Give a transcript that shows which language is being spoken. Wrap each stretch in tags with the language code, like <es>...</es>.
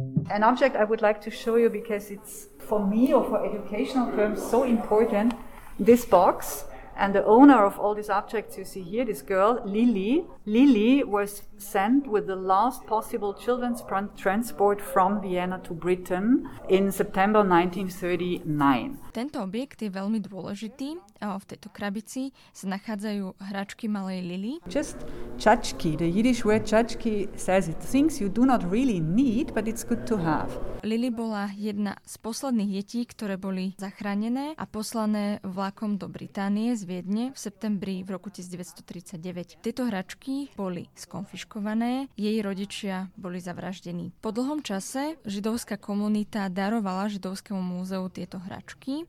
<en>An object I would like to show you because it's for me or for educational terms so important, this box. And the owner of all these objects you see here, this girl, Lily. Lily was sent with the last possible children's transport from Vienna to Britain in September 1939.</en> <sk>Tento objekt je veľmi dôležitý. V tejto krabici sa nachádzajú hračky malej Lily.</sk> <en>Just čačky. The Yiddish word čačky says it. Things you do not really need, but it's good to have.</en> <sk>Lily bola jedna z posledných detí, ktoré boli zachránené a poslané vlakom do Británie z Viedne v septembri v roku 1939. Tieto hračky boli skonfiškované, jej rodičia boli zavraždení. Po dlhom čase židovská komunita darovala Židovskému múzeu tieto hračky.</sk>